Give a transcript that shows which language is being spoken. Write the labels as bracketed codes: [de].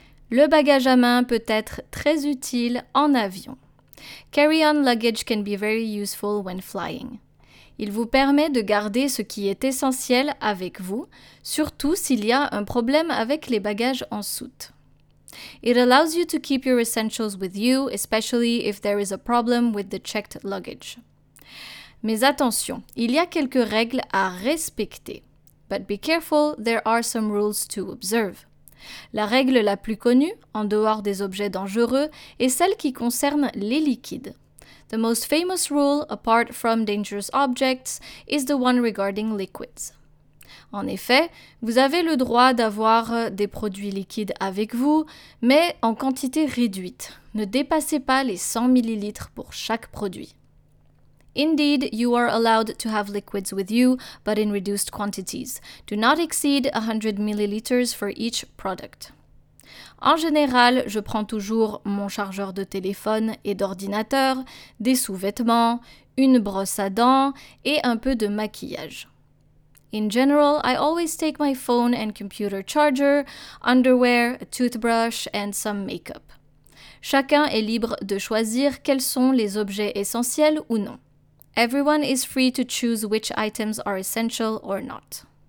[fr] Le bagage à main peut être très utile en avion. [en] Carry-on luggage can be very useful when flying. [fr] Il vous permet de garder ce qui est essentiel avec vous, surtout s'il y a un problème avec les bagages en soute. [en] It allows you to keep your essentials with you, especially if there is a problem with the checked luggage. [fr] Mais attention, il y a quelques règles à respecter. [en] But be careful, there are some rules to observe. [fr] La règle la plus connue, en dehors des objets dangereux, est celle qui concerne les liquides. [en] The most famous rule, apart from dangerous objects, is the one regarding liquids. [fr] En effet, vous avez le droit d'avoir des produits liquides avec vous, mais en quantité réduite. Ne dépassez pas les 100 ml pour chaque produit. [en] Indeed, you are allowed to have liquids with you, but in reduced quantities. Do not exceed 100 milliliters for each product. [fr] En général, je prends toujours mon chargeur de téléphone et d'ordinateur, des sous-vêtements, une brosse à dents et un peu de maquillage. [en] In general, I always take my phone and computer charger, underwear, a toothbrush and some makeup. [fr] Chacun est libre de choisir quels sont les objets essentiels ou non. [en] Everyone is free to choose which items are essential or not.